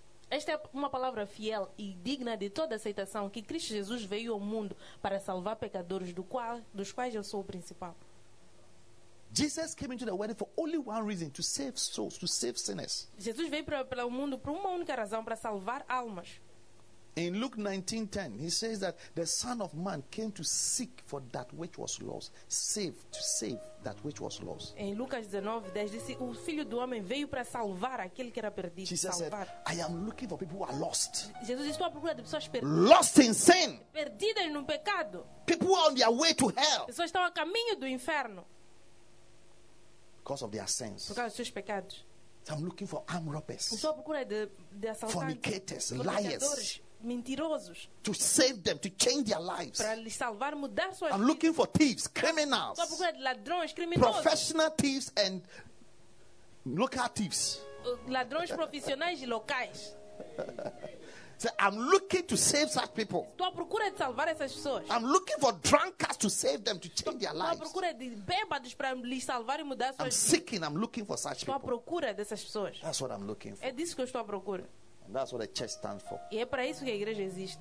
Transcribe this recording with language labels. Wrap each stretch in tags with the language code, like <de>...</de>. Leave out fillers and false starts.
<pt>Esta é uma palavra fiel e digna de toda aceitação que Cristo Jesus veio ao mundo para salvar pecadores dos quais eu sou o principal.</pt> <en>Jesus came into the world for only one reason, to save souls, to save sinners.</en> <pt>Jesus veio para o mundo por uma única razão, para salvar almas.</pt> <en>In Luke 19:10, he says that the Son of Man came to seek for that which was lost, to save that which was lost.</en> <pt>Em Lucas 19:10, disse o Filho do Homem veio para salvar aquele que era perdido.</pt> <en>Jesus</en> <pt>salvar.</pt> <en>Said, "I am looking for people who are lost."</en> <pt>Jesus disse, "Estou à procura de pessoas perdidas."</pt> <en>Lost in sin.</en> <pt>Perdidas no pecado.</pt> <en>People are on their way to hell.</en> <pt>Pessoas estão a caminho do inferno.</pt> <en>Because of their sins.</en> <pt>Por causa dos seus pecados.</pt> <en>So I'm looking for armed robbers.</en> <pt>Estou à procura de assaltantes.</pt> <en>Fornicators, liars.</en> <pt>Mentirosos.</pt> <en>To save them, to change their lives.</en> <pt>Para lhes salvar, mudar suas</pt> <en>I'm</en> <pt>vidas.</pt> <en>Looking for thieves, criminals.</en> <pt>Estou à procura de ladrões, criminosos.</pt> <en>Professional thieves and local thieves.</en> <pt>Ladrões profissionais e locais.</pt> <en>So I'm looking to save such people.</en> <pt>Estou à procura de salvar essas pessoas.</pt> <en>I'm looking for drunkards to save them, to change</en> <pt>Estou</pt> <en>their lives.</en> <pt>Estou à procura de bêbados para lhes salvar e mudar suas</pt> <en>Seeking, I'm looking for such</en> <pt>Estou</pt> <en>people.</en> <pt>À procura dessas pessoas.</pt> <en>That's what I'm looking for.</en> <pt>É disso que eu estou à procura.</pt> <en>That's what the church stands for.</en> <pt>E é para isso que a igreja existe.</pt>